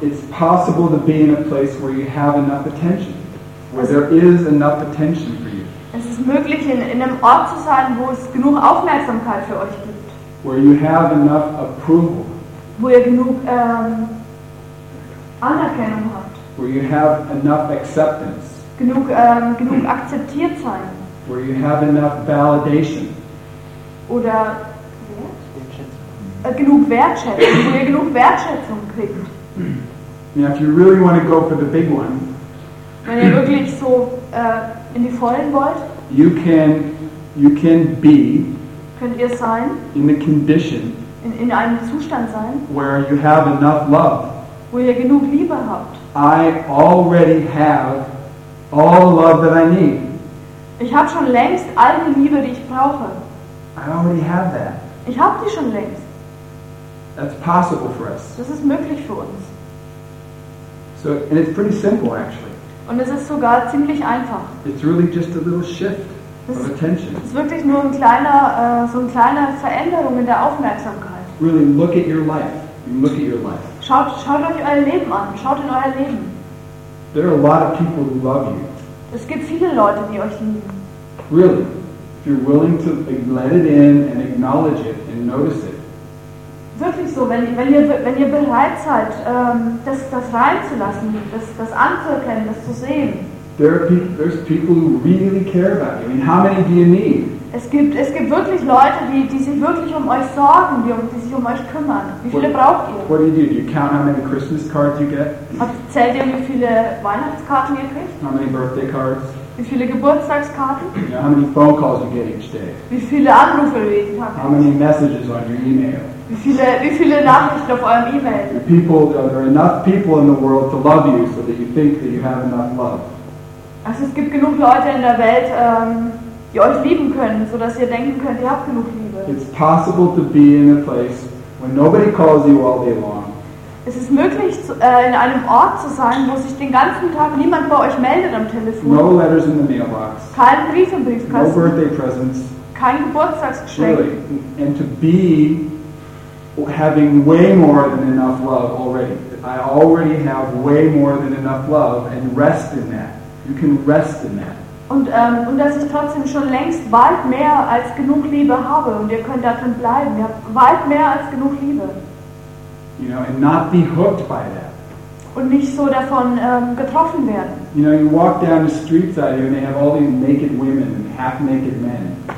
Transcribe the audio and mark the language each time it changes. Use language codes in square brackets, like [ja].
[en] It's possible to be in a place where you have enough attention. Where there is enough attention. [de] Es ist möglich, in einem Ort zu sein, wo es genug Aufmerksamkeit für euch gibt. [en] Where you have enough approval. [de] Wo ihr genug Anerkennung habt. [en] Where you have enough acceptance. [de] Genug akzeptiert sein. [en] Where you have enough validation. [de] Oder genug Wertschätzung. Wo ihr genug Wertschätzung kriegt. [en] Now, if you really want to go for the big one. [de] Wenn ihr wirklich so in die Vollen wollt, [en] you can be, [de] könnt ihr sein, [en] in the condition, [de] in einem Zustand sein, [en] where you have enough love, [de] wo ihr genug Liebe habt. [en] I already have all love that I need. [de] Ich habe schon längst all die Liebe, die ich brauche. [en] I already have that. [de] Ich habe die schon längst. [en] That's possible for us. [de] Das ist möglich für uns. [en] So, and it's pretty simple actually. [de] Und es ist sogar ziemlich einfach. [en] It's really just a little shift of attention. [de] Es ist wirklich nur so eine kleine Veränderung in der Aufmerksamkeit. [en] Really look at your life. Look at your life. [de] Schaut euch euer Leben an. Schaut in euer Leben. [en] There are a lot of people who love you. [de] Es gibt viele Leute, die euch lieben. [en] Really, if you're willing to let it in and acknowledge it and notice it. [de] Wirklich so, wenn ihr bereit seid, das reinzulassen, das anzuerkennen, das zu sehen. [en] There's people who really care about you. I mean, how many do you need? [de] Es gibt wirklich Leute, die sich wirklich um euch sorgen, die sich um euch kümmern. Wie viele braucht ihr? [en] What do? You count how many Christmas cards you get? [de] Zählt ihr, wie viele Weihnachtskarten ihr kriegt? [en] How many birthday cards? [de] Wie viele Geburtstagskarten? [en] Yeah, how many phone calls you get each day? [de] Wie viele Anrufe ihr jeden Tag? [en] How many messages on your email? [de] Wie viele Nachrichten auf eurem E-Mail? [en] There are enough people in the world to love you, so that you think that you have enough love. [de] Also es gibt genug Leute in der Welt, die euch lieben können, so dass ihr denken könnt, ihr habt genug Liebe. [en] It's possible to be in a place where nobody calls you all day long. [de] Es ist möglich, in einem Ort zu sein, wo sich den ganzen Tag niemand bei euch meldet am Telefon. [en] No letters in the mailbox. [de] Kein Brief im Briefkasten. [en] No birthday presents. [de] Kein Geburtstagsgeschenk. [en] Really. And to be having way more than enough love already. I already have way more than enough love, and rest in that. You can rest in that. [de] Und dass ich trotzdem schon längst weit mehr als genug Liebe habe, und ihr könnt darin bleiben. Ihr habt weit mehr als genug Liebe. [en] You know, and not be hooked by that. [de] Und nicht so davon getroffen werden. [en] You know, you walk down the streets out here, and they have all these naked women and half naked men.